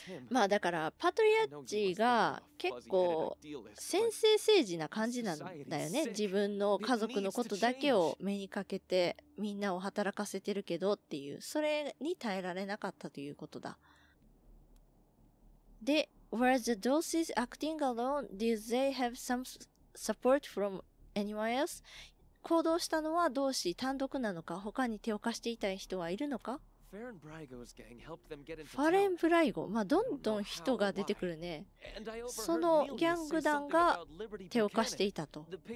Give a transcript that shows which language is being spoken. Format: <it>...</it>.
<ja>まあだからパトリアーチが結構先制政治な感じなんだよね。自分の家族のことだけを目にかけてみんなを働かせてるけどっていう、それに耐えられなかったということだ。</ja> <en>で、Were the Dulces acting alone? Did they have some support from anyone else?</en> <ja>行動したのはどうし単独なのか、他に手を貸していた人はいるのか。ファレン・ブライゴ、まあどんどん人が出てくるね。そのギャング団が手を貸していたと。</ja>